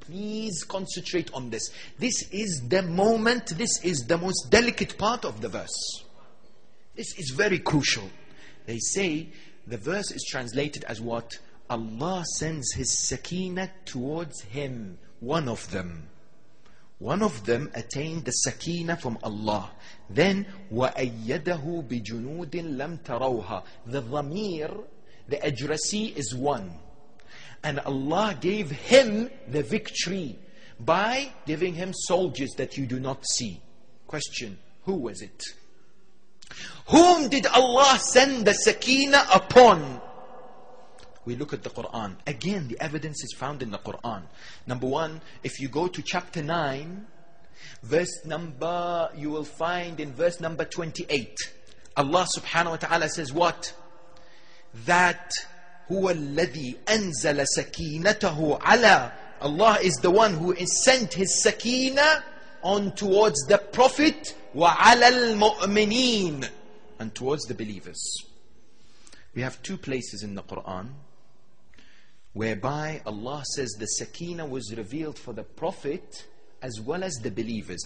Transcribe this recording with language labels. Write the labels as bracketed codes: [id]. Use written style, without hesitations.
[en] Please concentrate on this. This is the moment, this is the most delicate part of the verse. This is very crucial. They say, the verse is translated as what? Allah sends His sakinah towards him. One of them. One of them attained the sakina from Allah. Then, [ar] وَأَيَّدَهُ بِجُنُودٍ لَمْ تَرَوْهَا. [en] The dhamir, the addressee is one. And Allah gave him the victory by giving him soldiers that you do not see. Question, who was it? Whom did Allah send the sakina upon? We look at the Quran. Again, the evidence is found in the Quran. Number one, if you go to chapter 9, verse number, you will find in verse number 28, Allah subhanahu wa ta'ala says what? That, [ar] هُوَ الَّذِي أَنزَلَ سَكِينَتَهُ عَلَى. [en] Allah is the one who is sent His sakina on towards the Prophet, [ar] وَعَلَى الْمُؤْمِنِينَ, [en] and towards the believers. We have two places in the Quran whereby Allah says the sakina was revealed for the Prophet as well as the believers.